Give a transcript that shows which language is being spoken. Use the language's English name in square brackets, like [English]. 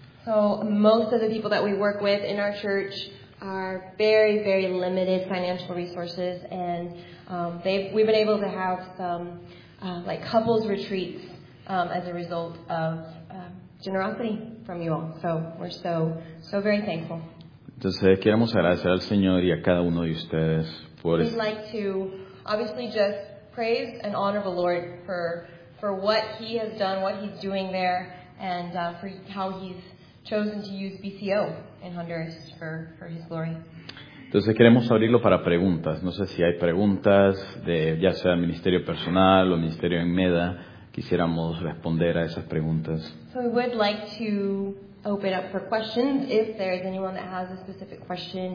[English] So most of the people that we work with in our church are very, very limited financial resources, and we've been able to have some like couples retreats as a result of generosity from you all. So we're so, so very thankful. [Spanish] Entonces queremos agradecer al Señor y a cada uno de ustedes por. [English] We'd like to obviously just praise and honor the Lord for what He has done, what He's doing there, and for how He's chosen to use BCO in Honduras for his glory. [Spanish] Entonces queremos abrirlo para preguntas. No sé si hay preguntas de ya sea el Ministerio Personal o Ministerio en MEDA. Quisiéramos responder a esas preguntas. [English] So we would like to open up for questions if there is anyone that has a specific question.